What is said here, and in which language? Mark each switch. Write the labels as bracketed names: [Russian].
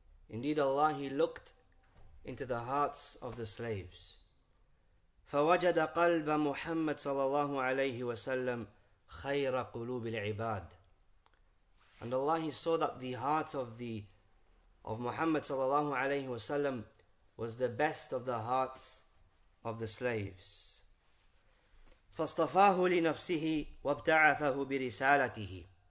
[English] Indeed Allah, he looked into the hearts of the slaves. [Arabic] فوجد قلب محمد صلى الله عليه وسلم خير قلوب العباد. [English] And Allah, he saw that the heart of Muhammad [Arabic] صلى الله عليه وسلم [English] was the best of the hearts of the slaves. [Arabic] فاصطفاه لنفسه وابتعثه برسالته.